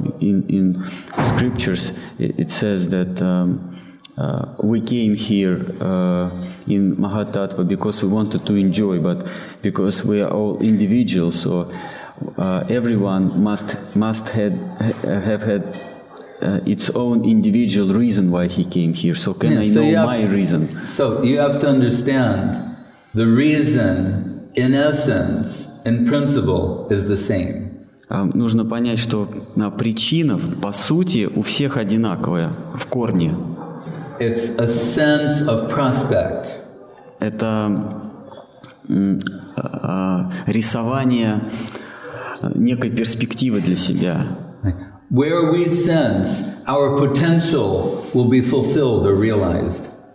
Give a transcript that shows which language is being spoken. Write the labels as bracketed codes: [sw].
[en] In scriptures, it says that we came here in Mahatattva because we wanted to enjoy, but because we are all individuals, so everyone must have had its own individual reason why he came here. So can I know my reason? So you have to understand the reason, in essence, in principle, is the same. [ru] Нужно понять, что причина, по сути, у всех одинаковая, в корне. [en] It's a sense of prospect. [ru] Это рисование некой перспективы для себя. [en] Where we sense our potential will be fulfilled or realized.